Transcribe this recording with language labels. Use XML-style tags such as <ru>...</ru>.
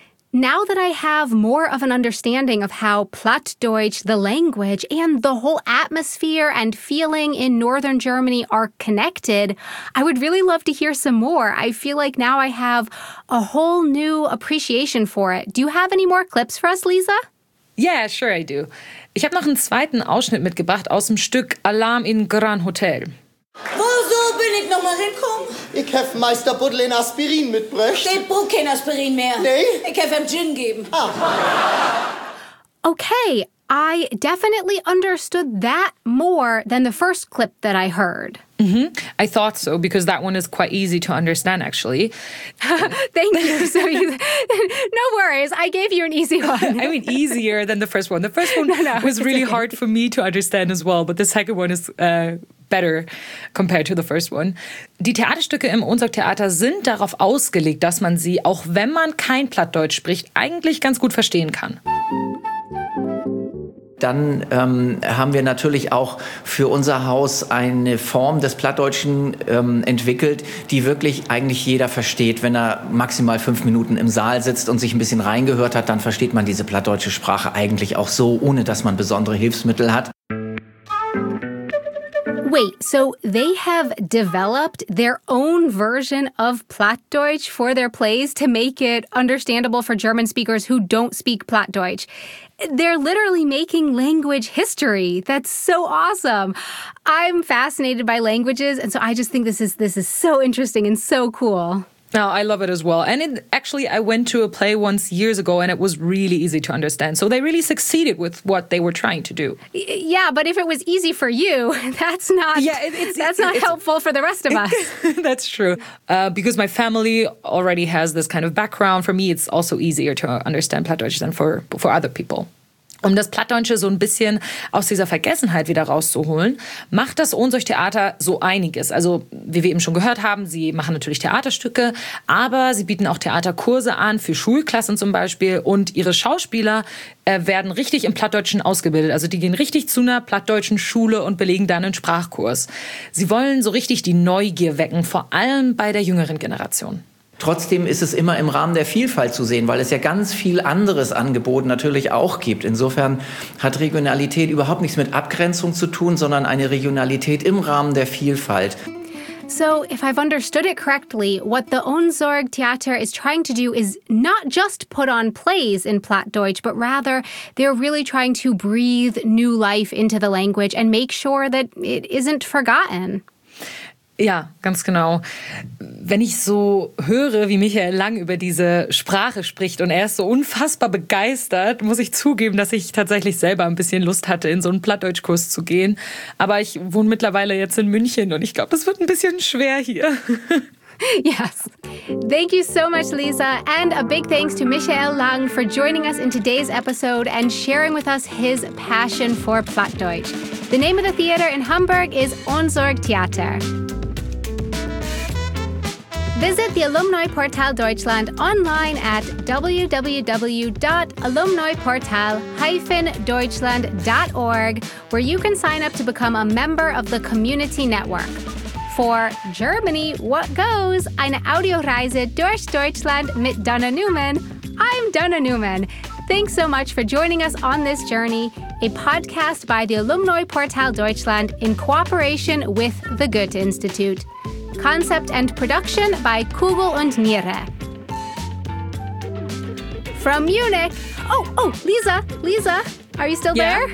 <en>Now that I have more of an understanding of how Plattdeutsch, the language, and the whole atmosphere and feeling in Northern Germany are connected, I would really love to hear some more. I feel like now I have a whole new appreciation for it. Do you have any more clips for us, Lisa? Yeah, sure I do.</en> <de>Ich habe noch einen zweiten Ausschnitt mitgebracht aus dem Stück Alarm in Grand Hotel. Wo so bin ich nochmal hinkommen? Ich habe Meister Buddel in Aspirin mitbrächt. Ich brauche kein Aspirin mehr. Nee? Ich habe ihm Gin geben. Ah.</de> <en>Okay, I definitely understood that more than the first clip that I heard. Mm-hmm. I thought so, because that one is quite easy to understand, actually. Thank you. So you, no worries. I gave you an easy one. I mean, easier than the first one. The first one was really hard for me to understand as well, but the second one is better compared to the first one.</en> <de>Die Theaterstücke im Unsorgtheater sind darauf ausgelegt, dass man sie, auch wenn man kein Plattdeutsch spricht, eigentlich ganz gut verstehen kann. Dann haben wir natürlich auch für unser Haus eine Form des Plattdeutschen entwickelt, die wirklich eigentlich jeder versteht. Wenn er maximal 5 Minuten im Saal sitzt und sich ein bisschen reingehört hat, dann versteht man diese plattdeutsche Sprache eigentlich auch so, ohne dass man besondere Hilfsmittel hat.</de> <en>Wait, so they have developed their own version of Plattdeutsch for their plays to make it understandable for German speakers who don't speak Plattdeutsch. They're literally making language history. That's so awesome. I'm fascinated by languages, and so I just think this is so interesting and so cool. No, I love it as well. And I went to a play once years ago and it was really easy to understand. So they really succeeded with what they were trying to do. Yeah, but if it was easy for you, that's not helpful for the rest of us. That's true. Because my family already has this kind of background, for me it's also easier to understand Plattdeutsch than for other people.</en> <de>Um das Plattdeutsche so ein bisschen aus dieser Vergessenheit wieder rauszuholen, macht das Unsorgtheater so einiges. Also, wie wir eben schon gehört haben, sie machen natürlich Theaterstücke, aber sie bieten auch Theaterkurse an, für Schulklassen zum Beispiel. Und ihre Schauspieler werden richtig im Plattdeutschen ausgebildet. Also, die gehen richtig zu einer plattdeutschen Schule und belegen dann einen Sprachkurs. Sie wollen so richtig die Neugier wecken, vor allem bei der jüngeren Generation. Trotzdem ist es immer im Rahmen der Vielfalt zu sehen, weil es ja ganz viel anderes Angebot natürlich auch gibt. Insofern hat Regionalität überhaupt nichts mit Abgrenzung zu tun, sondern eine Regionalität im Rahmen der Vielfalt.</de> <en>So, if I've understood it correctly, what the Unsorgtheater is trying to do is not just put on plays in Plattdeutsch, but rather they're really trying to breathe new life into the language and make sure that it isn't forgotten.</en> <de>Ja, ganz genau. Wenn ich so höre, wie Michael Lang über diese Sprache spricht und er ist so unfassbar begeistert, muss ich zugeben, dass ich tatsächlich selber ein bisschen Lust hatte, in so einen Plattdeutschkurs zu gehen. Aber ich wohne mittlerweile jetzt in München und ich glaube, das wird ein bisschen schwer hier.</de> <en>Yes. Thank you so much, Lisa. And a big thanks to Michael Lang for joining us in today's episode and sharing with us his passion for Plattdeutsch. The name of the theater in Hamburg is Unsorgtheater. Visit the Alumni Portal Deutschland online at www.alumniportal-deutschland.org, where you can sign up to become a member of the community network. For Germany, what goes?</en> <de>Eine Audioreise durch Deutschland mit Donna Newman.</de> <en>I'm Donna Newman. Thanks so much for joining us on this journey, a podcast by the Alumni Portal Deutschland in cooperation with the Goethe-Institut. Concept and production by Kugel und Niere. From Munich. Oh, Lisa, are you still there?</en>